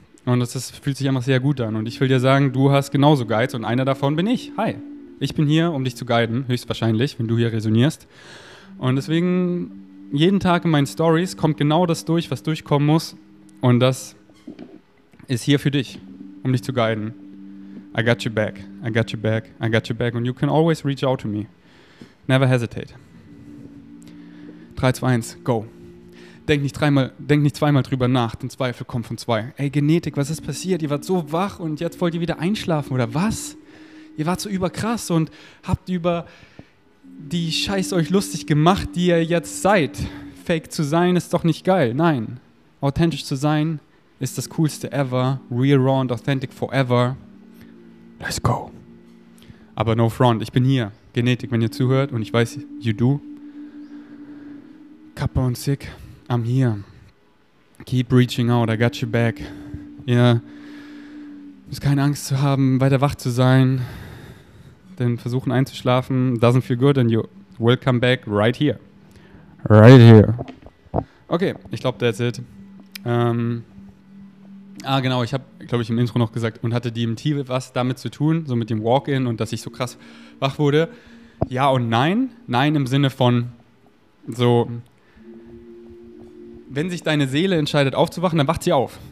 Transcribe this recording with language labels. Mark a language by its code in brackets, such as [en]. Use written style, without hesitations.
[de] Und das fühlt sich einfach sehr gut an. Und ich will dir sagen, du hast genauso Guides und einer davon bin ich. Hi, ich bin hier, um dich zu guiden, höchstwahrscheinlich, wenn du hier resonierst. Und deswegen, jeden Tag in meinen Stories kommt genau das durch, was durchkommen muss. Und das ist hier für dich, um dich zu guiden. [en] I got your back, I got your back, I got your back. And you can always reach out to me. Never hesitate. 3, 2, 1, go. [de] Denk nicht zweimal drüber nach, denn Zweifel kommt von zwei. Ey, Genetik, was ist passiert? Ihr wart so wach und jetzt wollt ihr wieder einschlafen, oder was? Ihr wart so überkrass und habt über die Scheiße euch lustig gemacht, die ihr jetzt seid. Fake zu sein ist doch nicht geil. Nein, authentisch zu sein ist das Coolste ever. [en] Real, raw and authentic forever. Let's go. [de] Aber [en] no front, [de] ich bin hier. Genetik, wenn ihr zuhört und ich weiß, [en] you do. Kappa und Sick, I'm here. Keep reaching out, I got your back. [de] Ihr müsst keine Angst zu haben, weiter wach zu sein. Denn versuchen einzuschlafen, [en] doesn't feel good and you will come back right here. Right here. Okay, [de] ich glaube, [en] that's it. [de] Genau, ich habe, glaube ich, im Intro noch gesagt und hatte DMT was damit zu tun, so mit dem Walk-in und dass ich so krass wach wurde. Ja und nein. Nein im Sinne von so, wenn sich deine Seele entscheidet, aufzuwachen, dann wacht sie auf.